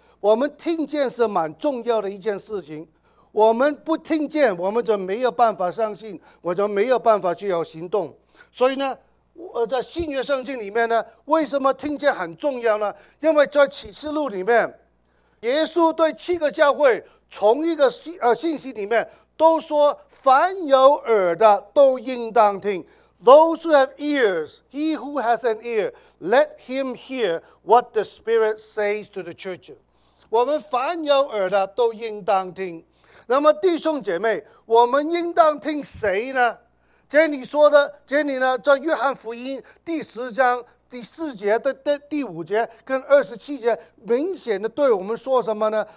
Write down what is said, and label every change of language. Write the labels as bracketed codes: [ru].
[zh] 我们听见是蛮重要的一件事情，我们不听见，我们就没有办法相信，我就没有办法去有行动。所以呢，在新约圣经里面呢，为什么听见很重要呢？因为在启示录里面，耶稣对七个教会从一个信息里面都说，凡有耳的都应当听。 [en] Those who have ears, he who has an ear, let him hear what the Spirit says to the church. [zh] 我们凡有耳的都应当听。那么弟兄姐妹，我们应当听谁呢？这里说的，这里呢，在约翰福音第十章第四节的第五节跟二十七节明显的对我们说什么呢？